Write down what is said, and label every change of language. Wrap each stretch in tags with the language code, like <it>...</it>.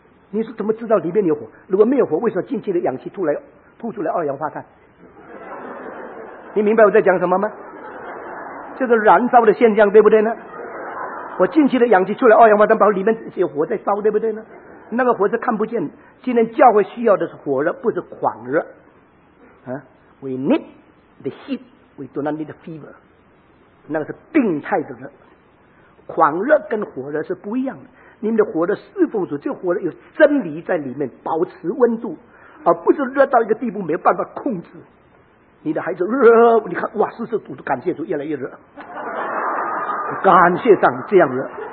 <zh>你是怎么知道里面有火？如果没有火，为什么进去的氧气吐出来二氧化碳？你明白我在讲什么吗？就是燃烧的现象，对不对呢？我进去的氧气出来二氧化碳，把里面有火在烧，对不对呢？那个火是看不见的。今天教会需要的是火热，不是狂热。</zh> <en>We need the heat, we do not need the fever.</en> <zh>那个是病态的热。狂热跟火热是不一样的。你们的火热侍奉主，这个火热有真理在里面，保持温度，而不是热到一个地步没办法控制。你的孩子热，你看哇，是主，感谢主，越来越热。感谢上这样热。</zh>